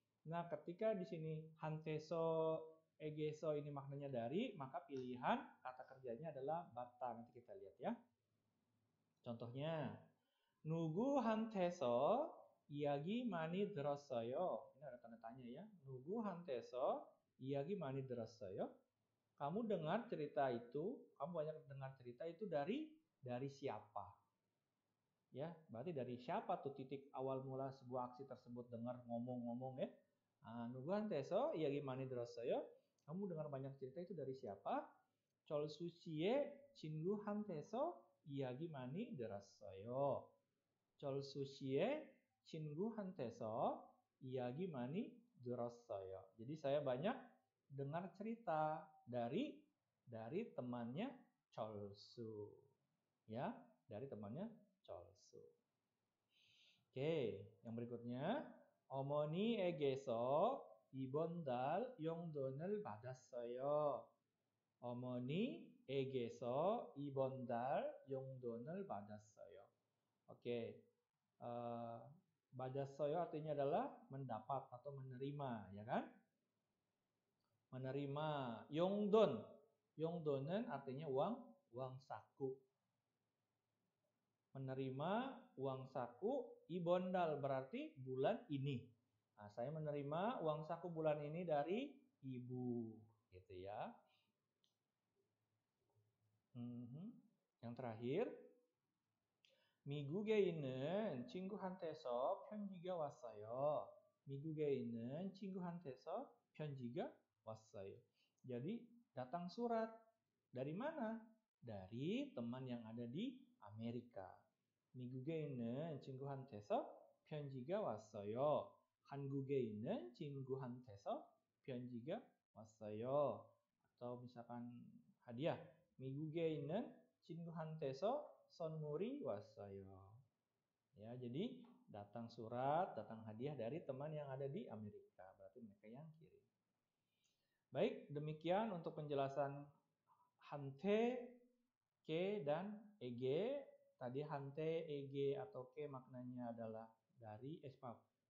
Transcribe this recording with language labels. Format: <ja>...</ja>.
<id>Nah, ketika di sini hanteso, egeso ini maknanya dari, maka pilihan kata kerjanya adalah bata. Nanti kita lihat ya. Contohnya,</id> <ko>누구한테서 이야기 많이 들었어요?</ko> <id>ini ada tanda tanya ya.</id> <ko>누구한테서 이야기 많이 들었어요?</ko> <id>Kamu dengar cerita itu, kamu banyak dengar cerita itu dari siapa? Ya, berarti dari siapa tuh titik awal mula sebuah aksi tersebut, dengar ngomong-ngomong ya.</id> <ko>Ah, 누구한테서 이야기 많이 들었어요?</ko> <id>Kamu dengar banyak cerita itu dari siapa?</id> <ko>졸수씨의 친구한테서 이야기 많이 들었어요. 졸수씨의 친구한테서 이야기 많이 들었어요.</ko> <id>Jadi saya banyak dengar cerita dari temannya 졸수. Ya, dari temannya 졸수. Oke, yang berikutnya.</id> <ko>어머니에게서 이번 달 용돈을 받았어요. 어머니에게서 이번 달 용돈을 받았어요.</ko> <en>Oke. Okay.</en> <ko>받았어요</ko> <id>artinya adalah mendapat atau menerima, ya kan? Menerima</id> <ko>용돈. 용돈은</ko> <id>artinya uang saku. Menerima uang saku</id> <ko>이번 달</ko> <id>berarti bulan ini. Nah, saya menerima uang saku bulan ini dari ibu, gitu ya. Yang terakhir,</id> <ko>미국에 있는 친구한테서 편지가 왔어요. 미국에 있는 친구한테서 편지가 왔어요.</ko> <id>Jadi datang surat dari mana? Dari teman yang ada di Amerika.</id> <ko>미국에 있는 친구한테서 편지가 왔어요. 한국에 있는 친구한테서 편지가 왔어요.</ko> <id>Atau misalkan hadiah.</id> <ko>미국에 있는 친구한테서 선물이 왔어요.</ko> <id>Ya, jadi datang surat, datang hadiah dari teman yang ada di Amerika. Berarti mereka yang kirim. Baik, demikian untuk penjelasan hante, ke, dan ege. Tadi hante, ege, atau ke maknanya adalah dari espap.</id>